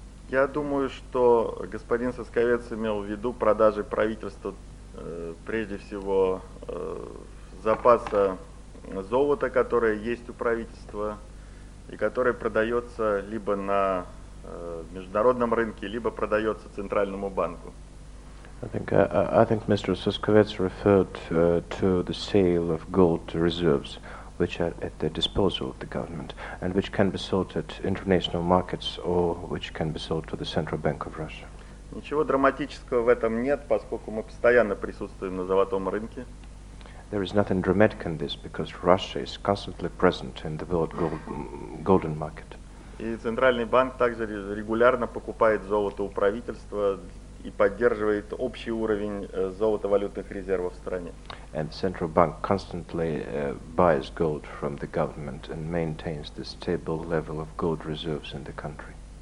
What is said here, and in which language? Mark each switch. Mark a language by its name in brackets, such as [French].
[Russian] Я думаю, что господин Сосковец имел в виду продажи правительства прежде всего запаса золота, которое есть у правительства и которое продается либо на международном рынке, либо продается Центральному банку. [English] I think Mr. Сосковец referred to the sale of gold reserves, which are at the disposal of the government and which can be sold at international markets or which can be sold to the Central Bank of Russia. [Russian] Ничего драматического в этом нет, поскольку мы постоянно присутствуем на золотом рынке. [English] There is nothing dramatic in this because Russia is constantly present in the world golden market. [Russian] И Центральный банк также регулярно покупает золото у правительства и поддерживает общий уровень золотовалютных резервов в стране. [English] And Central Bank constantly buys gold from the government and maintains the stable level of gold reserves in the country.